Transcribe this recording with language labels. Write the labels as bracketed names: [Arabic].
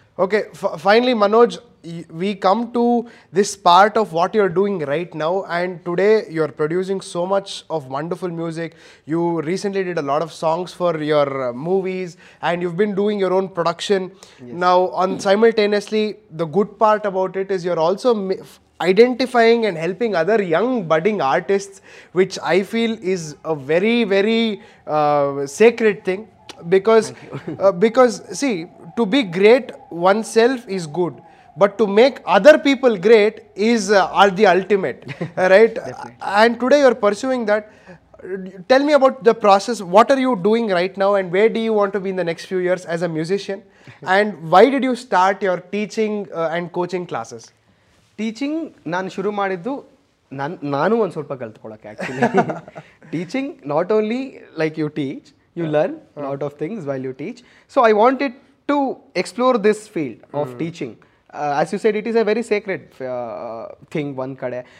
[English] Okay, finally Manoj, we come to this part of what you are doing right now and today. You are producing so much of wonderful music. You recently did a lot of songs for your movies and you have been doing your own production now. And simultaneously the good part about it is you are also identifying and helping other young budding artists, which I feel is a very, very sacred thing. Because because see, to be great oneself is good, but to make other people great is the ultimate, right? And today you are pursuing that. Tell me about the process. What are you doing right now, and where do you want to be in the next few years as a musician? And why did you start your teaching and coaching classes? [Kannada] Teaching ನಾನು ಶುರು ಮಾಡಿದ್ದು ನಾನು ಒಂದು ಸ್ವಲ್ಪ ಕಲ್ತ್ಕೊಳಕ್ಕೆ. [English] Actually teaching not only like you teach, you learn lot of things while you teach. So I wanted to explore this field of teaching. As you said, it is a very secret thing [Kannada] ಒಂದು ಕಡೆ.